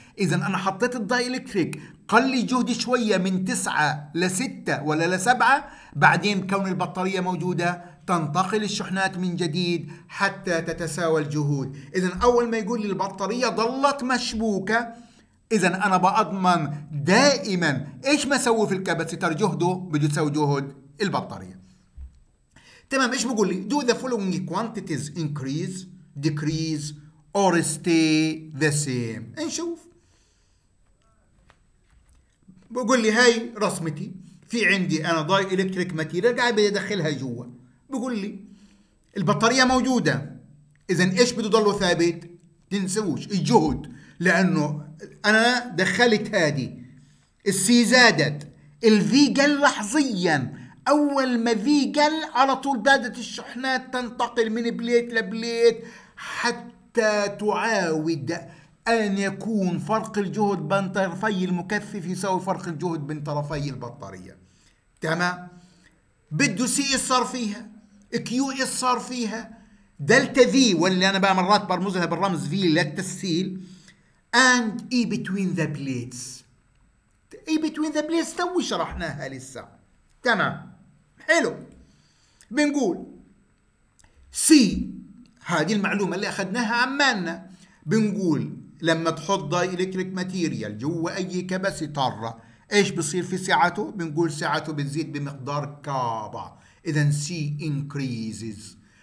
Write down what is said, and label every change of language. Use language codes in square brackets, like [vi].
[ar] إذا أنا حطيت الدايلكتريك قل جهد شوية من 9 ل 6 ولا ل 7، بعدين كون البطارية موجودة تنتقل الشحنات من جديد حتى تتساوى الجهود. إذا أول ما يقول لي البطارية ظلت مشبوكة، إذا أنا بأضمن دائما إيش ما سوي في الكاباسيتر جهده بده يسوي جهد البطارية. تمام. إيش بقول لي؟ [en] Do the following quantities increase, decrease, or stay the same؟ [ar] نشوف. بقول لي هاي رسمتي، في عندي أنا ضاي إلكتريك ماتيريال قاعد بيدخلها جوا. بقول لي البطارية موجودة، إذن إيش بده ضله ثابت؟ تنسوش الجهد، لأنه أنا دخلت هادي السي زادت، الفي قل لحظياً، أول ما في قل على طول بدأت الشحنات تنتقل من بليت لبليت حتى تعاود أن يكون فرق الجهد بين طرفي المكثف يساوي فرق الجهد بين طرفي البطارية. تمام. بده سي صار فيها، كيو صار فيها، دلتا في واللي أنا بقى مرات برمزها بالرمز في للتسهيل، [en] and E between the plates. E between the plates [ar] توي شرحناها لسه. تمام. حلو. بنقول سي، هذه المعلومة اللي أخذناها عمالنا، بنقول لما تحط دايلكتريك ماتيريال جوا أي كاباسيتر إيش بصير في سعته؟ بنقول سعته بتزيد بمقدار كابا، إذا سي increases.